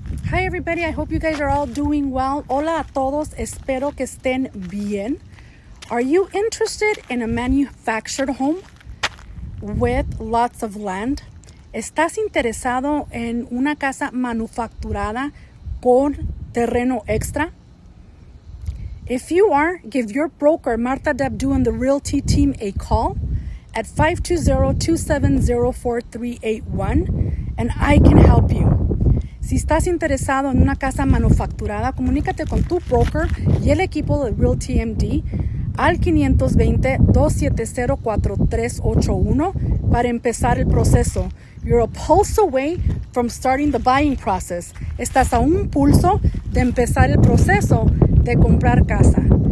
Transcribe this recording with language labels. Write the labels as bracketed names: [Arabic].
[English] Hi everybody, I hope you guys are all doing well. [Spanish] Hola a todos, espero que estén bien. [English] Are you interested in a manufactured home with lots of land? [Spanish] ¿Estás interesado en una casa manufacturada con terreno extra? [English] If you are, give your broker, Marta Dabdu, and the realty team a call at 520-270-4381 and I can help you. [Spanish] Si estás interesado en una casa manufacturada, comunícate con tu broker y el equipo de Realty MD al 520-270-4381 para empezar el proceso. [English] You're a pulse away from starting the buying process. [Spanish] Estás a un pulso de empezar el proceso de comprar casa.